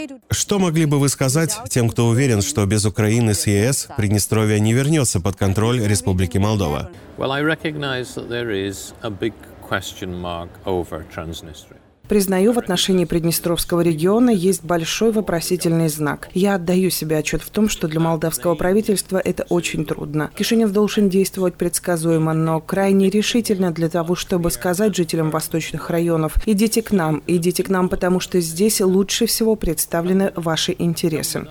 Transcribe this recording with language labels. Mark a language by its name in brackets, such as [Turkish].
[Russian] Что могли бы вы сказать тем, кто уверен, что без Украины с ЕС Приднестровье не вернется под контроль Республики Молдова? [English] Well, I recognize that there is a big question mark over Transnistria. [Russian] Признаю, в отношении Приднестровского региона есть большой вопросительный знак. Я отдаю себе отчет в том, что для молдавского правительства это очень трудно. Кишинев должен действовать предсказуемо, но крайне решительно для того, чтобы сказать жителям восточных районов: идите к нам, потому что здесь лучше всего представлены ваши интересы.